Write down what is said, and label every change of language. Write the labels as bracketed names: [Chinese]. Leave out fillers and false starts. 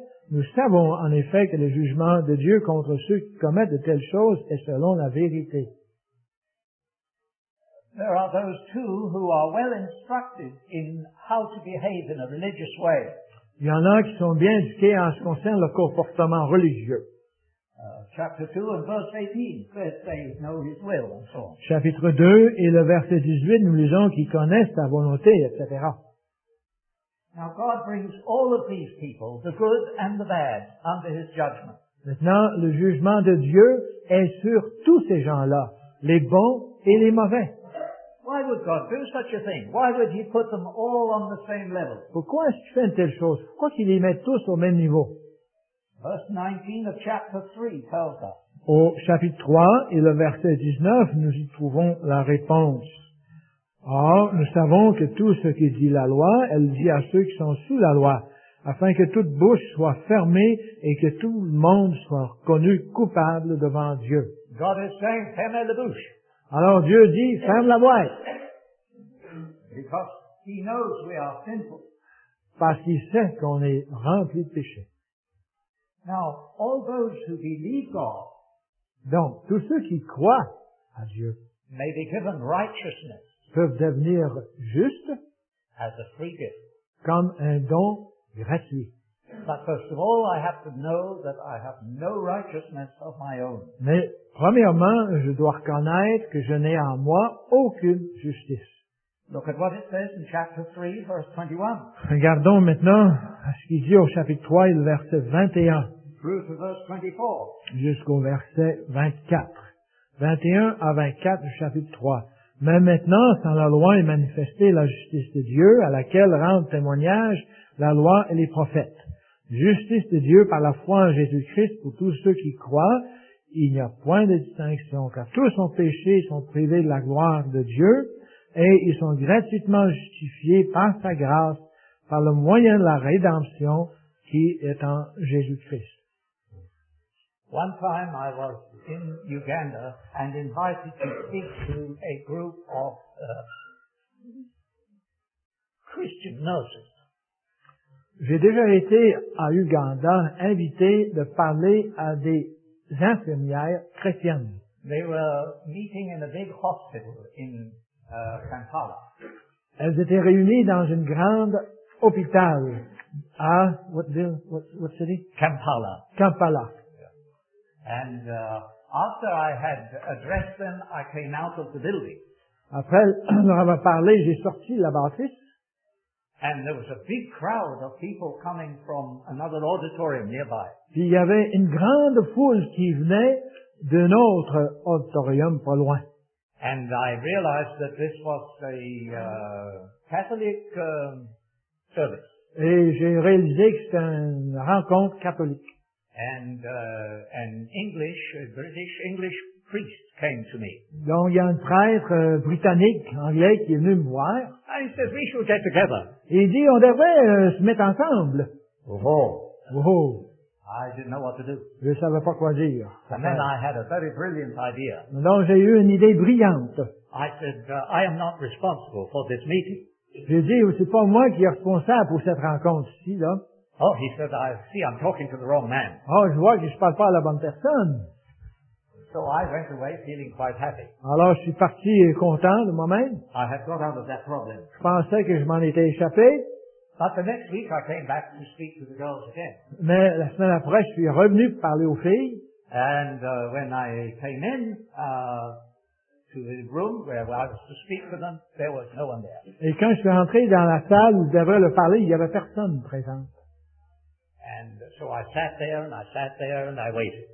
[French] Nous savons en effet que le jugement de Dieu contre ceux qui commettent de telles choses est selon la vérité. [English] There are those too who are well instructed in how to behave in a religious way. [French] Il y en a qui sont bien éduqués en ce qui concerne le comportement religieux. [English] Chapter 2 and verse 18 says they know his will and so on. [French] Chapitre 2 et le verset 18, nous lisons qu'ils connaissent sa volonté, etc. [English] Now God brings all of these people, the good and the bad, under his judgment. [French] Maintenant, le jugement de Dieu est sur tous ces gens-là, les bons et les mauvais. [English] Why would God do such a thing? Why would he put them all on the same level? [French] Pourquoi est-ce qu'il fait une telle chose? Pourquoi qu'il les met tous au même niveau? [English] Verse 19 of chapter 3 tells us. [French] Au chapitre 3 et le verset 19, nous y trouvons la réponse. Or, nous savons que tout ce qui dit la loi, elle dit à ceux qui sont sous la loi, afin que toute bouche soit fermée et que tout le monde soit reconnu coupable devant Dieu. [English] God is saying, [French] fermez la bouche. Alors Dieu dit, ferme la boîte. [English] Because he knows we are sinful. [French] Parce qu'il sait qu'on est rempli de péché. [English] Now, all those who believe God, [French] donc, tous ceux qui croient à Dieu [English] may be given righteousness [French] peuvent devenir justes [English] as a free gift. [French] Comme un don gratuit. [English] But first of all, I have to know that I have no righteousness of my own. [French] Mais premièrement, je dois reconnaître que je n'ai en moi aucune justice. [English] Look at what it says in chapter 3, verse 21. [French] Regardons maintenant à ce qu'il dit au chapitre 3, le verset 21. [English] Through to verse 24. [French] Jusqu'au verset 24. 21 à 24 du chapitre 3. Mais maintenant, sans la loi est manifestée la justice de Dieu, à laquelle rendent témoignage la loi et les prophètes. Justice de Dieu par la foi en Jésus-Christ pour tous ceux qui croient, il n'y a point de distinction, car tous ont péché et sont privés de la gloire de Dieu, et ils sont gratuitement justifiés par sa grâce, par le moyen de la rédemption qui est en Jésus-Christ. [English] One time I was in Uganda and invited to speak to a group of Christian nurses. [French] J'ai déjà été à Uganda invité de parler à des infirmières chrétiennes. [English] They were meeting in a big hospital in Kampala. [French] Elles étaient réunies dans une grande hôpital à [English] what city? Kampala. [French] Kampala. [English] And after I had addressed them, I came out of the building. [French] Après leur avoir parlé, j'ai sorti de la bâtisse. [English] And there was a big crowd of people coming from another auditorium nearby. [French] Puis il y avait une grande foule qui venait d'un autre auditorium pas loin. [English] And I realized that this was a Catholic service. [French] Et j'ai réalisé que c'était une rencontre catholique. [English] And an English, a British English priest came to me. [French] Donc il y a un prêtre britannique, anglais, qui est venu me voir. [English] And he says, we should get together. [French] Il dit, on devrait se mettre ensemble. Oh. Oh. [English] I didn't know what to do. [French] Je ne savais pas quoi dire. [English] And then I had a very brilliant idea. [French] Donc j'ai eu une idée brillante. [English] I said, I am not responsible for this meeting. [French] J'ai dit, ce n'est pas moi qui est responsable pour cette rencontre ici, là. [English] Oh, he said, I see I'm talking to the wrong man. [French] Oh, je vois que je ne parle pas à la bonne personne. [English] So I went away feeling quite happy. [French] Alors je suis parti content de moi-même. [English] I had got out of that problem. [French] Je pensais que je m'en étais échappé. [English] But the next week I came back to speak to the girls again. [French] Mais la semaine après, je suis revenu pour parler aux filles. [English] And when I came in to the room where I was to speak to them, there was no one there. [French] Et quand je suis entré dans la salle où je devrais leur parler, il n'y avait personne présent. [English] And so I sat there and I sat there and I waited.